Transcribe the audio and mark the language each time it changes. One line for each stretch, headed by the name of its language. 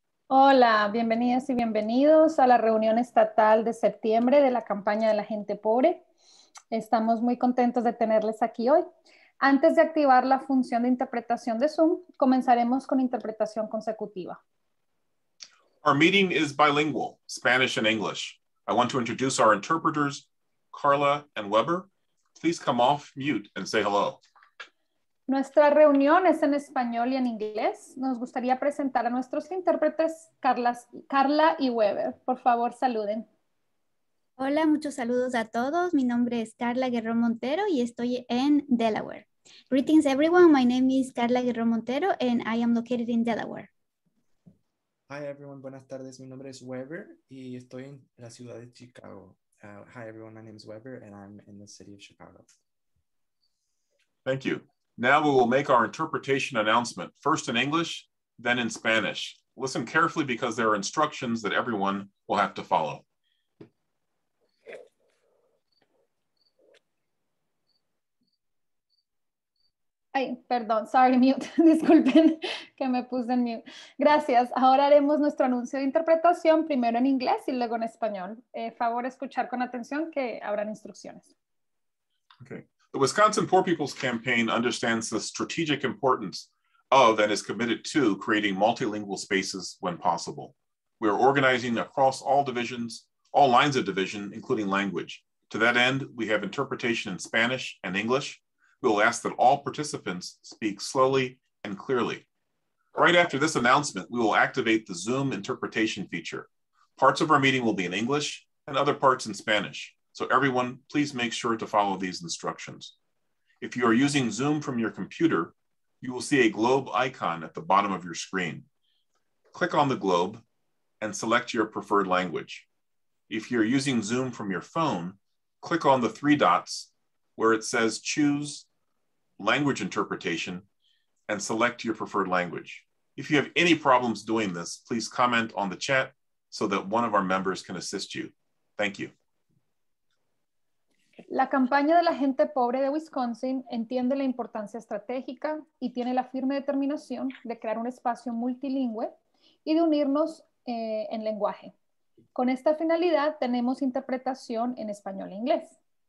Spanish: Hola, bienvenidas y bienvenidos a la reunión estatal de septiembre de la campaña de la gente pobre. Estamos muy contentos de tenerles aquí hoy. Antes de activar la función de interpretación de Zoom, comenzaremos con interpretación consecutiva.
English: Our meeting is bilingual, Spanish and English. I want to introduce our interpreters, Carla and Weber. Please come off mute and say hello.
Spanish: Nuestra reunión es en español y en inglés. Nos gustaría presentar a nuestros intérpretes, Carla y Weber. Por favor, saluden. Hola, muchos saludos a todos. Mi nombre es Carla Guerrero Montero y estoy en Delaware.
English: Greetings, everyone. My name is Carla Guerrero Montero and I am located in Delaware. Hi, everyone.
Spanish: Buenas tardes. Mi nombre es Weber y estoy en la ciudad de Chicago.
English: Hi, everyone. My name is Weber and I'm in the city of Chicago. Thank you. Now we will make our interpretation announcement, first in English, then in Spanish. Listen carefully because there are instructions that everyone will have to follow.
Spanish: Ay, perdón, sorry, mute, disculpen que me puse en mute. Gracias, ahora haremos nuestro anuncio de interpretación primero en inglés y luego en español. Favor escuchar con atención que habrán instrucciones.
English: Okay. The Wisconsin Poor People's Campaign understands the strategic importance of and is committed to creating multilingual spaces when possible. We are organizing across all divisions, all lines of division, including language. To that end, we have interpretation in Spanish and English. We'll ask that all participants speak slowly and clearly. Right after this announcement, we will activate the Zoom interpretation feature. Parts of our meeting will be in English and other parts in Spanish. So everyone, please make sure to follow these instructions. If you are using Zoom from your computer, you will see a globe icon at the bottom of your screen. Click on the globe and select your preferred language. If you're using Zoom from your phone, click on the three dots where it says choose language interpretation and select your preferred language. If you have any problems doing this, please comment on the chat so that one of our members can assist you. Thank you.
Spanish: La campaña de la gente pobre de Wisconsin entiende la importancia estratégica y tiene la firme determinación de crear un espacio multilingüe y de unirnos en lenguaje. Con esta finalidad tenemos interpretación en español e inglés.